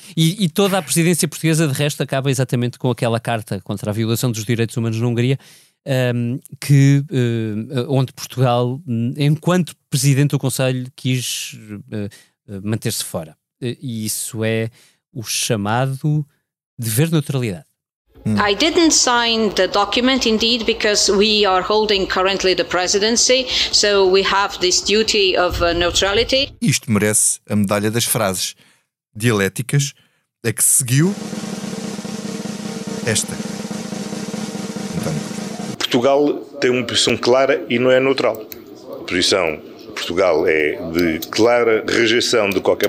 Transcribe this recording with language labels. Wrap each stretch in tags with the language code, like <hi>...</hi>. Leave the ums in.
<pt>E, e, toda a presidência portuguesa, de resto, acaba exatamente com aquela carta contra a violação dos direitos humanos na Hungria, um, que, um, onde Portugal, enquanto presidente do Conselho, quis uh, manter-se fora. E isso é o chamado dever de neutralidade. Hmm.</pt> <en>I didn't sign the document indeed because we are holding currently the presidency, so we have this duty of neutrality.</en> <pt>Isto merece a medalha das frases dialéticas a que seguiu esta. Portugal tem uma posição clara e não é neutral. A posição Portugal é de clara rejeição de qualquer</pt>